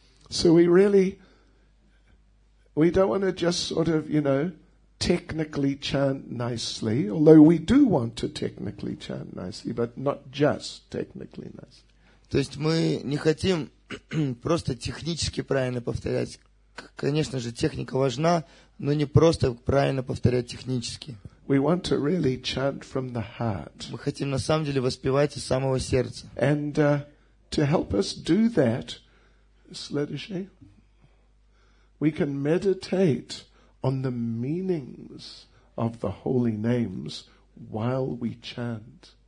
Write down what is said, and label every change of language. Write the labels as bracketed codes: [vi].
[en] So we don't want to just sort of, you know, technically chant nicely, although we do want to technically chant nicely, but not just technically nicely. [ru] То есть мы не хотим просто технически правильно повторять. Конечно же, техника важна, но не просто правильно повторять технически. [en] We want to really chant from the heart. [ru] Мы хотим на самом деле воспевать из самого сердца. [en] And to help us do that, [ru] Следующий, [en] we can meditate on the meanings of the holy names while we chant.